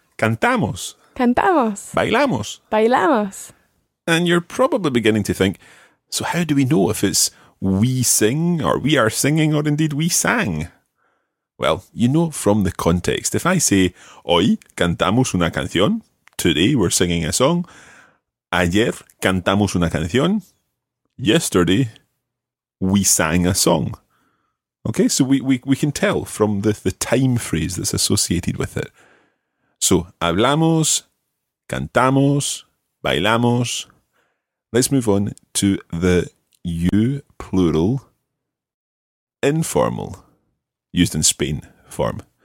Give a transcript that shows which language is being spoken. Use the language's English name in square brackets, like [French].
[Spanish] Cantamos. Cantamos. Bailamos. Bailamos. [English] And you're probably beginning to think, so how do we know if it's we sing or we are singing or indeed we sang? Well, you know from the context. If I say, [Spanish] hoy cantamos una canción, [English] today we're singing a song. [Spanish] Ayer cantamos una canción. [English] Yesterday we sang a song. Okay, so we can tell from the time phrase that's associated with it. [Spanish] So, hablamos, cantamos, bailamos. [English] Let's move on to the you plural informal used in Spain form.